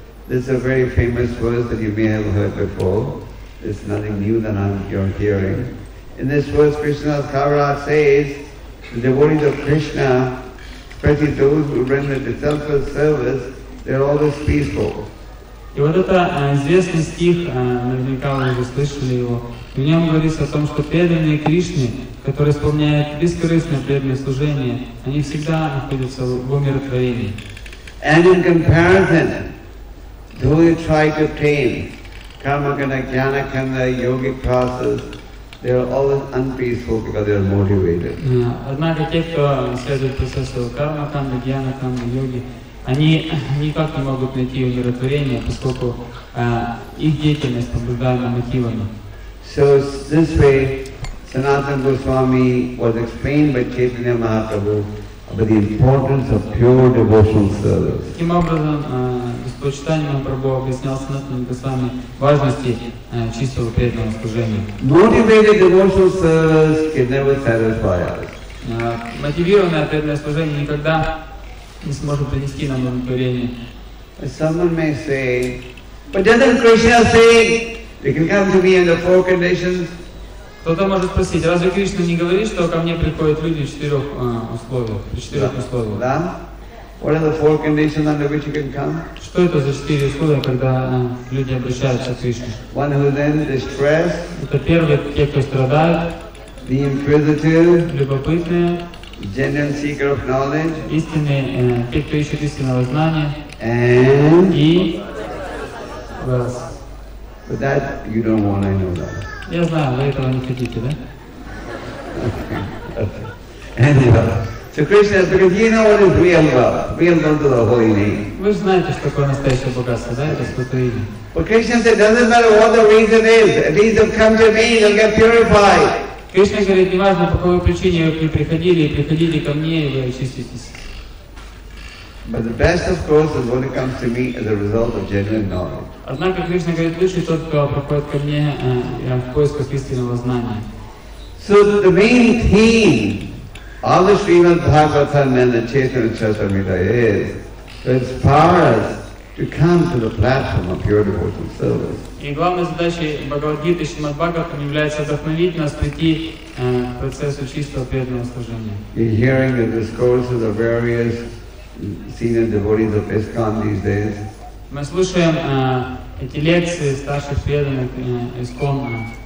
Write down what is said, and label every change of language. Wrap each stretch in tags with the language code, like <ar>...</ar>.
<en>This is a very famous verse that you may have heard before. It's nothing new than you're hearing. In this verse, Krishna's Kavaraj says, the devotees of Krishna, especially those who render the selfless service, they're always peaceful.</en> <ru>И вот это известный стих, наверняка вы уже слышали его. В нем говорится о том, что преданные Кришне, которые исполняют бескорыстное преданное служение, они всегда находятся в умиротворении.</ru> <en>And in comparison, though you try to attain Karmakanda, Jnanakanda, yogic process, they are always unpeaceful because they are motivated.</en> <ru>Однако те, кто следует процессу Карма-канда, Джнана-канда, йоги, они никак не могут найти умиротворение, поскольку их деятельность побуждаема мотивами.</ru> <en>So this way, Sanatana Goswami was explained by Chaitanya Mahaprabhu about the importance of pure devotional service.</en> <ru>Таким образом, Господь Чайтанья Махапрабху объяснял Санатана Госвами важности чистого преданного служения.</ru> <en>Motivated devotional service can never satisfy us.</en> <ru>Мотивированное преданное служение никогда не сможет принести нам удовлетворение.</ru> <en>Someone may say, but doesn't Krishna say, you can come to me under four conditions?</en> <ru>Кто-то может спросить, разве Кришна не говорит, что ко мне приходят люди в четырех условиях? При четырех условиях. Да?</ru> <en>What are the four conditions under which you can come?</en> <ru>Что это за четыре условия, когда люди обращаются к Кришне?</ru> <en>One who then distressed.</en> <ru>Это первые, те, кто страдают.</ru> <en>The inquisitive.</en> <ru>Любопытные.</ru> <en>Genuine seeker of knowledge.</en> <ru>Истинные, те, кто ищет истинного знания.</ru> <en>And?</en> <ru>И? Вас.</ru> <en>But that, you don't want to know that.</en> <ru>Я знаю, вы этого не хотите, да?</ru> <en>Anyway, so Krishna, because you know what is real love, real love to the holy name.</en> <ru>Вы знаете, что такое настоящее богатство, да? Это святое имя.</ru> <en>But Krishna said, doesn't matter what the reason is, at least you'll come to me, you'll get purified.</en> <ru>Кришна говорит, неважно, по какой причине вы приходили, и приходили ко мне, и вы очиститесь.</ru> <en>But the best, of course, is when it comes to me as a result of genuine knowledge.</en> <ru>Однако Кришна говорит, лучше тот, кто приходит ко мне в поисках истинного знания.</ru> <en>So the main theme of the Srimad Bhagavatam and the Chaitanya Charitamrita is to inspire us to come to the platform of pure devotional service.</en> <ru>И главной задачей Бхагавад-гиты Шримад Бхагаватам является вдохновить нас прийти к процессу чистого преданного служения.</ru> <en>You're hearing the discourses of various senior devotees of ISKCON these days.</en> <ru>Мы слушаем эти лекции старших преданных ISKCON.</ru>